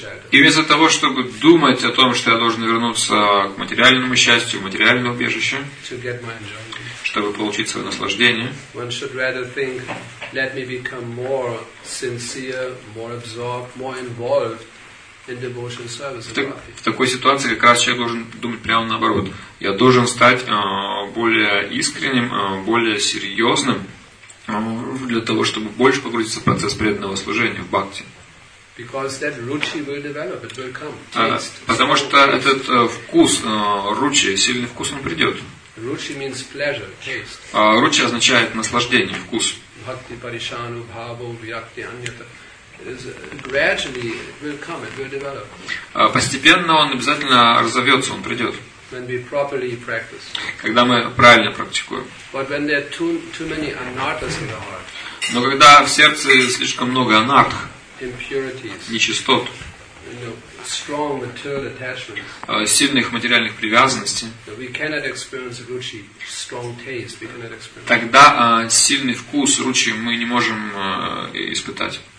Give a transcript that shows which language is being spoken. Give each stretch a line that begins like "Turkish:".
Russian: И вместо того, чтобы думать о том, что я должен вернуться к материальному счастью, в материальное убежище, чтобы получить свое наслаждение,
English: one should rather think, let me become more sincere, more absorbed, more involved in devotional service.
Russian: В такой ситуации как раз человек должен думать прямо наоборот. Я должен стать более искренним, более серьезным для того, чтобы больше погрузиться в процесс преданного служения в бхакти.
English: Because that ruchi will develop, it will come.
Russian: Потому что этот вкус ruchi, сильный вкус, он придет.
English: Ruchi means pleasure, taste.
Russian: Ruchi означает наслаждение, вкус.
Sanskrit: Bhakti parishanu bhavo vyakti anyata.
English: Gradually it will come, it will develop.
Russian: Постепенно он обязательно разовьется, он придет.
English: When we properly practice.
Russian: Когда мы правильно практикуем.
English: But when there are too many anarthas in the heart.
Russian: Но когда в сердце слишком много анартх.
English: Impurities,
Russian: нечистот,
English: strong material attachments,
Russian: сильных материальных привязанностей,
English: we cannot experience ruchi, strong taste, we cannot experience.
Russian: Тогда сильный вкус ruchi мы не можем испытать.